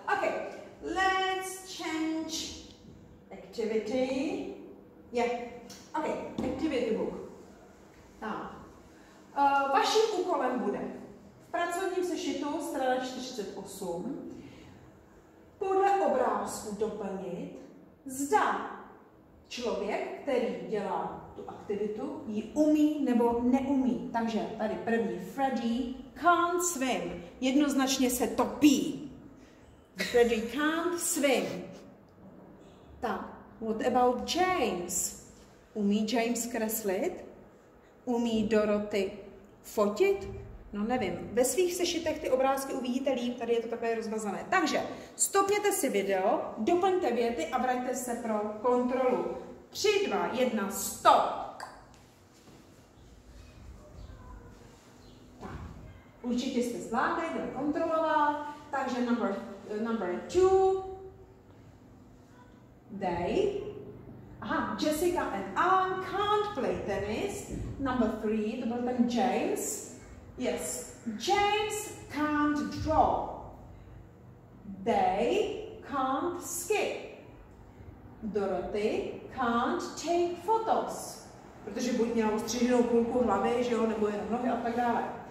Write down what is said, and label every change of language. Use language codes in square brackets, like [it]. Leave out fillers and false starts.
[en] Okay, let's change activity. Yeah, okay, activity book. [cs] Tak, vaším úkolem bude v pracovním sešitu strana 48 podle obrázku doplnit, zda člověk, který dělá tu aktivitu, ji umí nebo neumí. Takže tady první, [en] Freddy can't swim. [cs] Jednoznačně se topí. [en] Freddy can't swim. [cs] Tak, [en] what about James? [cs] Umí James kreslit? Umí Dorothy fotit? No nevím, ve svých sešitech ty obrázky uvidíte líp, tady je to takové rozmazané. Takže, stopněte si video, doplňte věty a vraťte se pro kontrolu. 3, 2, 1, stop! Tak, určitě jste zvládli, kdo kontrolovala, takže [en] number 2, they. Aha, Jessica and Anne can't play tennis. Number 3, [cs] to byl ten James. [en] Yes, James can't draw. They can't skip. Dorothy can't take photos. [cs] Protože buď měla ostříženou půlku hlavy, že jo, nebo jenom nohy a tak dále.